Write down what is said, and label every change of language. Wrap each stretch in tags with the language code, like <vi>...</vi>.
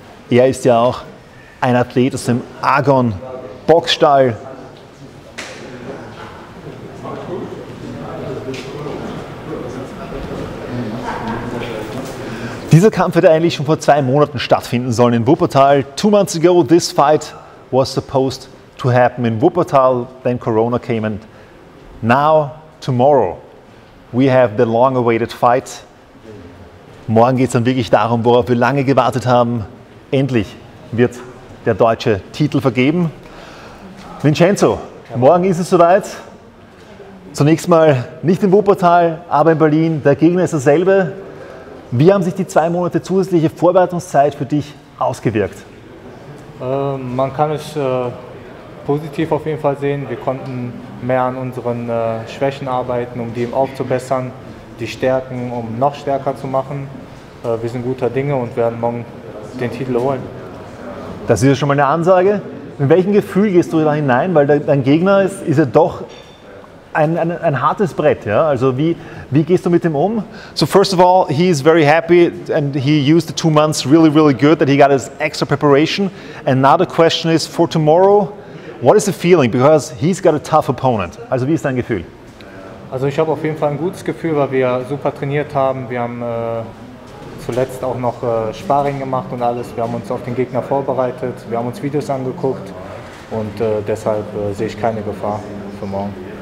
<de>Er ist ja auch ein Athlet aus dem Argon Boxstall. Dieser Kampf hätte eigentlich schon vor 2 Monaten stattfinden sollen in Wuppertal.</de> <en>2 months ago, this fight was supposed to happen in Wuppertal, then Corona came, and now, tomorrow, we have the long-awaited fight.</en> <de>Morgen geht es dann wirklich darum, worauf wir lange gewartet haben. Endlich wird der deutsche Titel vergeben. Vincenzo, morgen ist es soweit. Zunächst mal nicht in Wuppertal, aber in Berlin. Der Gegner ist derselbe. Wie haben sich die 2 Monate zusätzliche Vorbereitungszeit für dich ausgewirkt? Man kann es positiv auf jeden Fall sehen. Wir konnten mehr an unseren Schwächen arbeiten, um die aufzubessern, die Stärken, um noch stärker zu machen. Wir sind guter Dinge und werden morgen den Titel holen. Das ist ja schon mal eine Ansage. Mit welchem Gefühl gehst du da hinein? Weil dein Gegner ist ja doch ein hartes Brett, ja? Also wie gehst du mit dem um?</de> <en>So first of all, he is very happy and he used the 2 months really, really good that he got his extra preparation. And now the question is for tomorrow, what is the feeling? Because he's got a tough opponent.</en> <de>Also wie ist dein Gefühl? Also ich habe auf jeden Fall ein gutes Gefühl, weil wir super trainiert haben. Wir haben zuletzt auch noch Sparring gemacht und alles. Wir haben uns auf den Gegner vorbereitet. Wir haben uns Videos angeguckt und deshalb sehe ich keine Gefahr für morgen.</de>